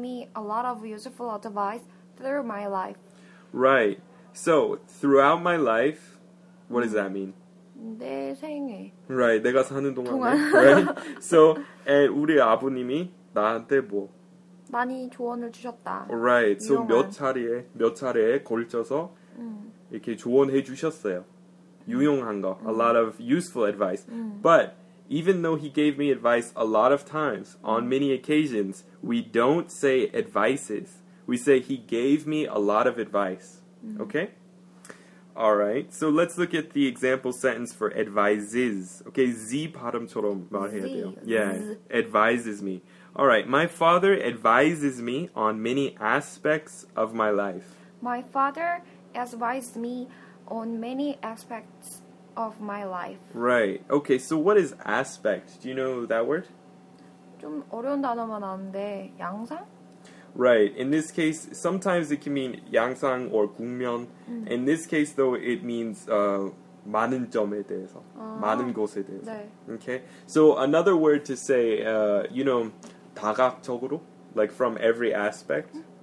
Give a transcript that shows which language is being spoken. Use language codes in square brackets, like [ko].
[en] me a lot of useful advice through my life. Right. So, throughout my life, what does that mean? [ko] 내 생애. Right, 내가 사는 동안에. Right? So, 우리 아버님이 나한테 뭐 많이 조언을 주셨다. [en] Right. [ko] 위험한. So 몇 차례에 걸쳐서 이렇게 조언해 주셨어요. 유용한 거. [en] A lot of useful advice. But even though he gave me advice a lot of times, on many occasions, we don't say advices. We say he gave me a lot of advice. Okay? Alright, so let's look at the example sentence for advises. [ko] Okay, Z 발음처럼 말해야 돼요. [en] Yeah, advises me. Alright, my father advises me on many aspects of my life. My father advises me on many aspects of my life. Right, okay, so what is aspect? Do you know that word? [ko] 좀 어려운 단어만 아는데, 양상? [en] Right. In this case, sometimes it can mean 양상 or 국면. In this case, though, it means [ko] 많은 점에 대해서, 많은 것에 대해서. 네. [en] Okay. So another word to say, you know, 다각적으로, like from every aspect.